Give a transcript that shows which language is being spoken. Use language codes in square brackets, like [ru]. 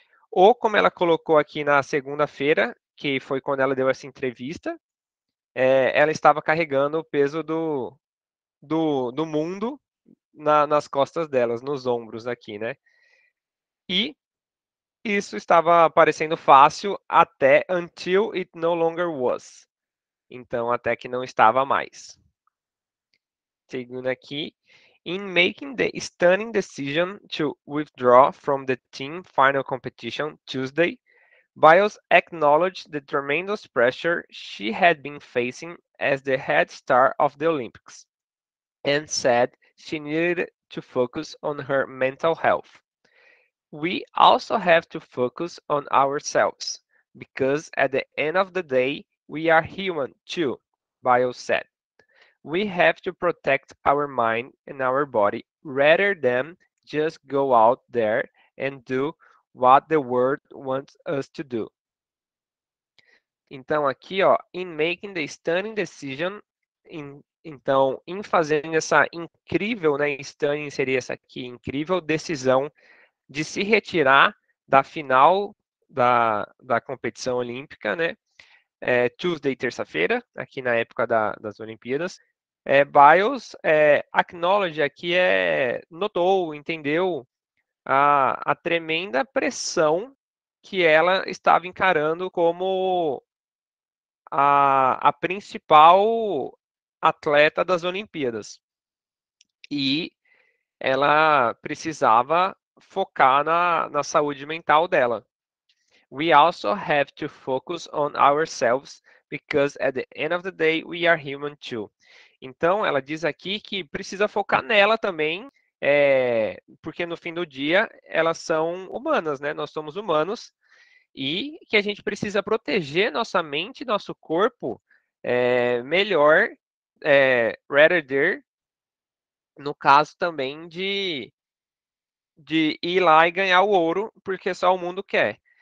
[pt] Ou como ela colocou aqui na segunda-feira, que foi quando ela deu essa entrevista, ela estava carregando o peso do mundo nas costas delas, nos ombros aqui, né? E isso estava parecendo fácil até [en] until it no longer was. [pt] Então, até que não estava mais. Seguindo aqui. [en] in making the stunning decision to withdraw from the team final competition Tuesday, Biles acknowledged the tremendous pressure she had been facing as the head star of the Olympics, and said she needed to focus on her mental health. We also have to focus on ourselves, because at the end of the day, we are human too, Biles said. We have to protect our mind and our body rather than just go out there and do what the world wants us to do. [pt] Então, aqui, ó, [en] in making the stunning decision, [pt] em fazendo essa incrível, né, stunning seria essa aqui, incrível decisão de se retirar da final da competição olímpica, né, Tuesday, terça-feira, aqui na época das Olimpíadas, Biles acknowledge aqui, notou, entendeu a tremenda pressão que ela estava encarando como a principal atleta das Olimpíadas. E ela precisava focar na saúde mental dela. [en] We also have to focus on ourselves, because at the end of the day, we are human too. [pt] Então, ela diz aqui que precisa focar nela também, porque no fim do dia, elas são humanas, né? Nós somos humanos, e que a gente precisa proteger nossa mente, nosso corpo, melhor, rather there, no caso também de ir lá e ganhar o ouro, porque só o mundo quer.